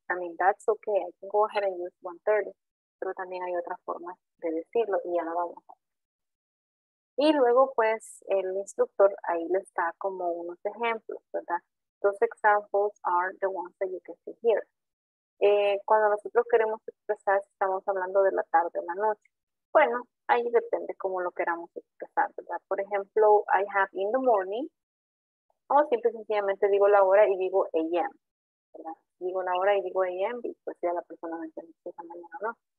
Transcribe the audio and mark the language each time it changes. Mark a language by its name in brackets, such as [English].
[English] I mean, that's okay, I can go ahead and use 1:30. [Spanish] Pero también hay otra forma de decirlo y ya lo vamos a ver. Y luego, pues, el instructor ahí le está como unos ejemplos, ¿verdad? [English] Those examples are the ones that you can see here. [Spanish] Cuando nosotros queremos expresar si estamos hablando de la tarde o la noche, bueno, ahí depende cómo lo queramos expresar, ¿verdad? Por ejemplo, [English] I have in the morning, [Spanish] o simple y sencillamente digo la hora y digo a.m., ¿verdad? Digo la hora y digo a.m., y pues ya la persona me entiende si es mañana o no.